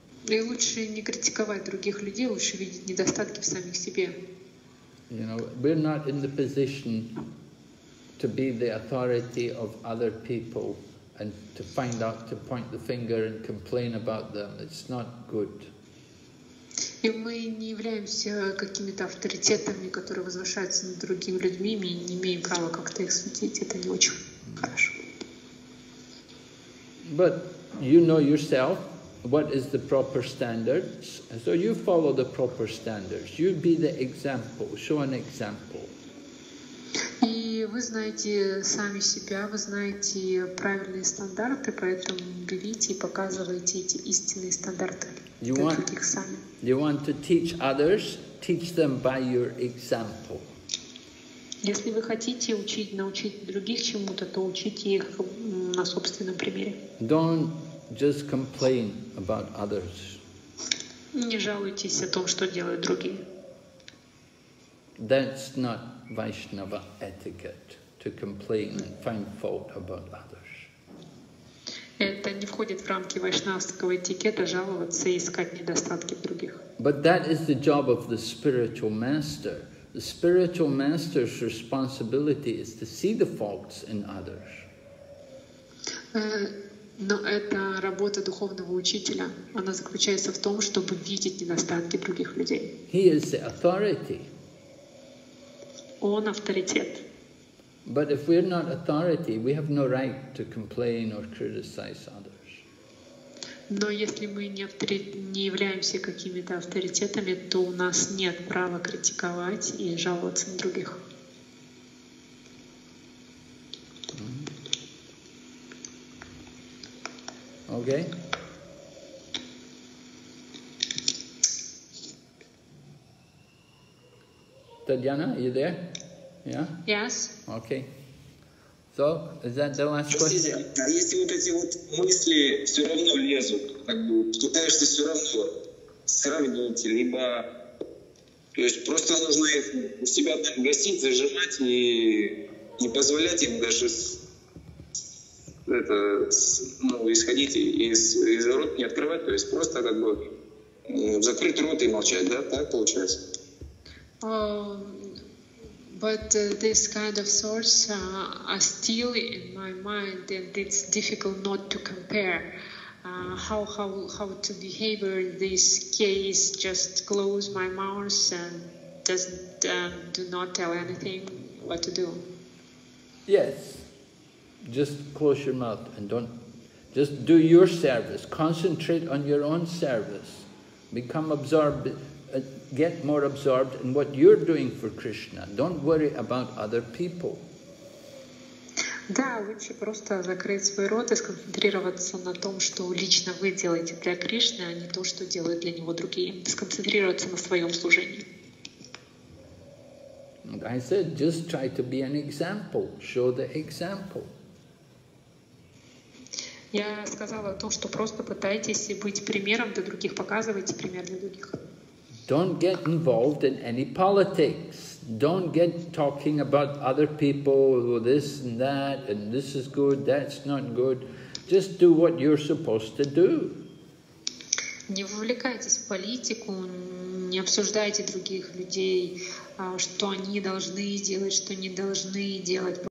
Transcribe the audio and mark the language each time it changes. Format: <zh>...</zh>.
<ru>И лучше не критиковать других людей, лучше видеть недостатки в самих себе.</ru> <en>You know, we're not in the position to be the authority of other people and to find out, to point the finger and complain about them. It's not good.</en> <ru>И мы не являемся какими-то авторитетами, которые возвышаются над другими людьми, и не имеем права как-то их судить. Это не очень хорошо.</ru> <en>But you know yourself what is the proper standards. So you follow the proper standards. You be the example. Show an example.</en> <ru>И вы знаете сами себя, вы знаете правильные стандарты, поэтому берите и показывайте эти истинные стандарты.</ru> <en>You want to teach others, teach them by your example.</en> <ru>Если вы хотите научить других чему-то, то учите их на собственном примере.</ru> <en>Don't just complain about others.</en> <ru>Не жалуйтесь о том, что делают другие.</ru> <en>That's not Vaishnava etiquette, to complain and find fault about others.</en> <ru>Это не входит в рамки вайшнавского этикета жаловаться и искать недостатки других.</ru> <en>But that is the job of the spiritual master. The spiritual master's responsibility is to see the faults in others.</en> <ru>Но это работа духовного учителя. Она заключается в том, чтобы видеть недостатки других людей.</ru> <en>He is the authority.</en> <ru>Он авторитет.</ru> <en>But if we're not authority, we have no right to complain or criticize others.</en> <ru>Но если мы не являемся какими-то авторитетами, то у нас нет права критиковать и жаловаться на других.</ru> <en>Okay. Tatyana, are you there? Yeah? Yes. Okay. So, is that the last question?</en> <ru>Если вот эти вот мысли все равно лезут, как бы пытаешься все равно сравнить, либо то есть просто нужно их у себя так гасить, зажимать и не позволять им даже исходить из рот не открывать, то есть просто как бы Закрыть рот и молчать, да? Так получается?</ru> <en>But this kind of thoughts are still in my mind, and it's difficult not to compare. How to behave in this case? Just close my mouth and do not tell anything. What to do? Yes, just close your mouth and don't. Just do your service. Concentrate on your own service. Become absorbed. Get more absorbed in what you're doing for Krishna. Don't worry about other people.</en> <ru>Да, лучше просто закрыть свой рот и сконцентрироваться на том, что лично вы делаете для Кришны, а не то, что делают для него другие. Сконцентрироваться на своем служении.</ru> <en>I said, just try to be an example. Show the example.</en> <ru>Я сказала о том, что просто пытайтесь быть примером для других, показывайте пример для других.</ru> <en>Don't get involved in any politics. Don't get talking about other people, this and that, and this is good, that's not good. Just do what you're supposed to do.</en> <ru>Не вовлекайтесь в политику, не обсуждайте других людей, что они должны делать, что не должны делать.</ru>